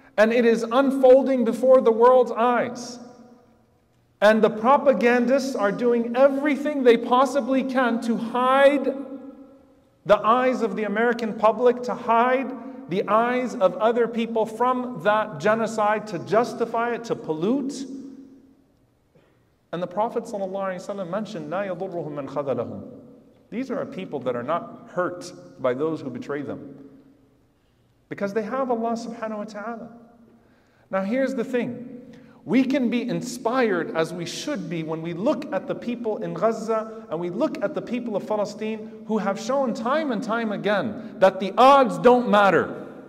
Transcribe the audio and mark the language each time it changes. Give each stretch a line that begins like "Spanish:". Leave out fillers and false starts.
English: And it is unfolding before the world's eyes. And the propagandists are doing everything they possibly can to hide the eyes of the American public, to hide the eyes of other people from that genocide, to justify it, to pollute. And the Prophet ﷺ mentioned,
Arabic: لا يضرهم من خذلهم.
English: These are a people that are not hurt by those who betray them, because they have Allah subhanahu wa ta'ala. Now here's the thing. We can be inspired, as we should be, when we look at the people in Gaza and we look at the people of Palestine who have shown time and time again that the odds don't matter.